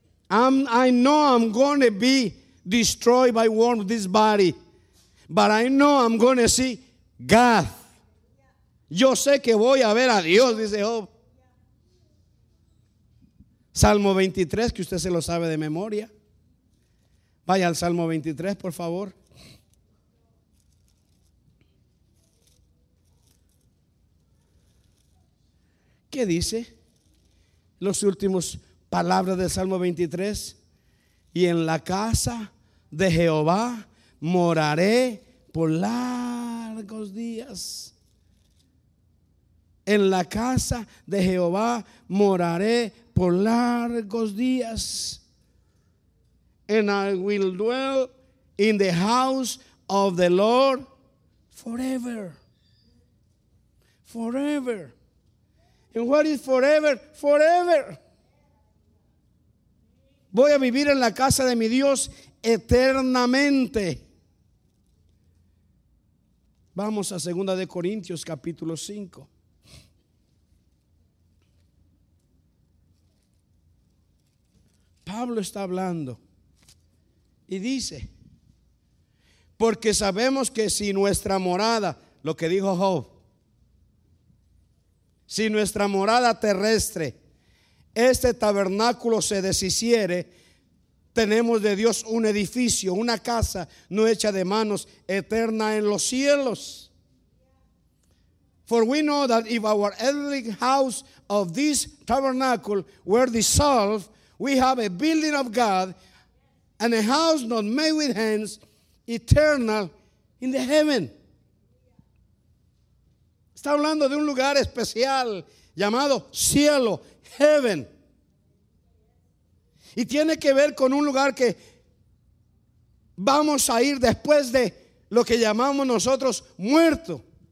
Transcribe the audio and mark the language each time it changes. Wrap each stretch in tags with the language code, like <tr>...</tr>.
<en>I know I'm going to be destroyed by worms, this body. But I know I'm going to see God.</en> <es>Yo sé que voy a ver a Dios, dice Job. Salmo 23, que usted se lo sabe de memoria. Vaya al Salmo 23, por favor. ¿Qué dice? Los últimos palabras del Salmo 23. Y en la casa de Jehová moraré por largos días. En la casa de Jehová moraré por largos días.</es> <en>And I will dwell in the house of the Lord forever. Forever. And what is forever? Forever.</en> <es>Voy a vivir en la casa de mi Dios eternamente. Vamos a 2 de Corintios capítulo 5. Pablo está hablando y dice, porque sabemos que si nuestra morada, lo que dijo Job, si nuestra morada terrestre, este tabernáculo se deshiciere, tenemos de Dios un edificio, una casa no hecha de manos, eterna en los cielos.</es> <en>For we know that if our earthly house of this tabernacle were dissolved, we have a building of God and a house not made with hands, eternal in the heaven.</en> <es>Está hablando de un lugar especial llamado cielo, heaven. Y tiene que ver con un lugar que vamos a ir después de lo que llamamos nosotros muerto.</es>